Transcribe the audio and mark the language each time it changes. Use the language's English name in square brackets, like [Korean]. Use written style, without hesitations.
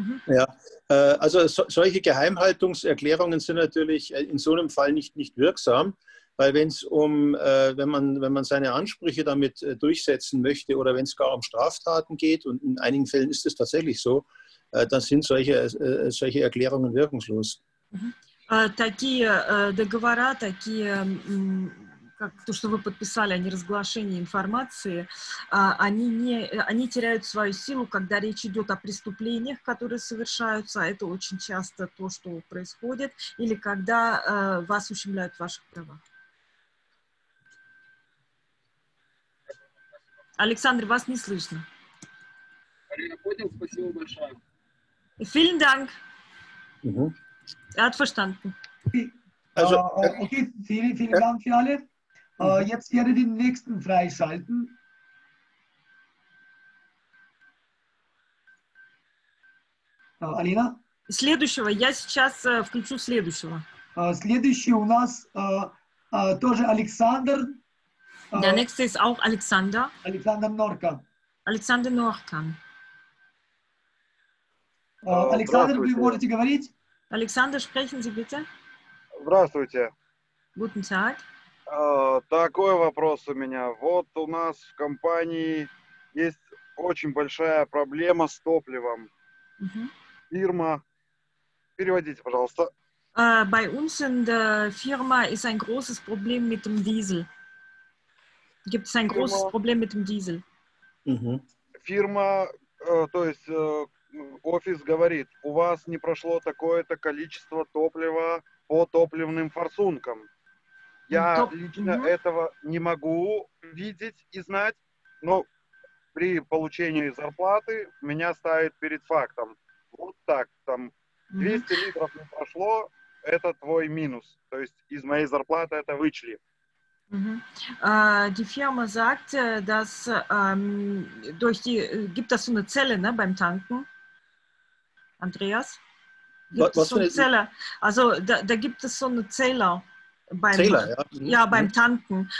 [German] Ja, also solche Geheimhaltungserklärungen sind natürlich in so einem Fall nicht wirksam, weil wenn es um, wenn man seine Ansprüche damit durchsetzen möchte oder wenn es gar um Straftaten geht, und in einigen Fällen ist es tatsächlich so, dann sind solche Erklärungen wirkungslos. [Russian] Такие договора, такие, как то, что вы подписали о неразглашении информации, они теряют свою силу, когда речь идет о преступлениях, которые совершаются, это очень часто то, что происходит, или когда вас ущемляют в ваших правах. Александр, вас не слышно. Я понял, спасибо большое. [German] Vielen Dank. Hat verstanden. Okay, vielen, vielen Dank für alle. Jetzt werde ich den nächsten freischalten. [Russian] Алина? Следующего. Я сейчас включу следующего. Следующий у нас тоже Александр. [German] Der nächste ist auch Alexander. Alexander Norka. Alexander Norka. [Russian] Александр, вы можете говорить? [German] Александр, sprechen Sie bitte. [Russian] Здравствуйте. [German] Guten Tag. [Russian] Такой вопрос у меня. Вот у нас в компании есть очень большая проблема с топливом. Фирма. Переводите, пожалуйста. [German] Bei uns in der Firma ist ein großes Problem mit dem Diesel. Gibt es ein großes Problem mit dem Diesel? [Russian] Фирма, то есть офис говорит, у вас не прошло такое-то количество топлива по топливным форсункам. Я лично этого не могу видеть и знать, но при получении зарплаты меня ставят перед фактом. Вот так, там 200 литров не прошло, это твой минус. То есть из моей зарплаты это вычли. [German] Die Firma sagt, dass durch die, gibt das so eine Zelle, ne, beim Tanken? Andreas? Gibt es so eine Zelle? Also da gibt es so eine Zähler. Beim, Zähler, ja. Ja, beim Tanken.